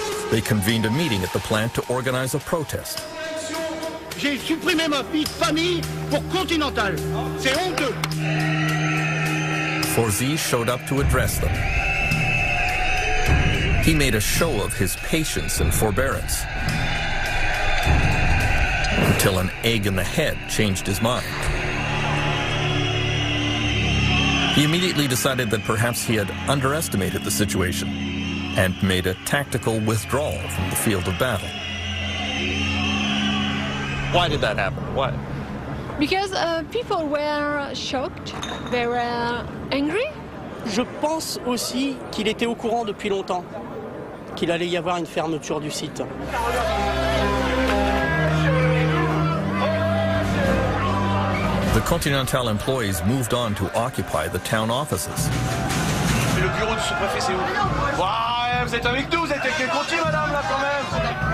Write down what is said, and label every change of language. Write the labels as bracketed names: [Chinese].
[English] They convened a meeting at the plant to organize a protest. [French] J'ai supprimé ma vie de famille pour Continental. C'est honteux. [English] Farzi showed up to address them. He made a show of his patience and forbearance until an egg in the head changed his mind. He immediately decided that perhaps he had underestimated the situation and made a tactical withdrawal from the field of battle. Why did that happen? Why? Because people were shocked. They were angry. [French] Je pense aussi qu'il était au courant depuis longtemps qu'il allait y avoir une fermeture du site. [English] The Continental employees moved on to occupy the town offices. [French] Et le bureau du sous-préfet, c'est où? Wow. Vous êtes avec nous, vous êtes quelqu'un qui continue, madame, là, quand même.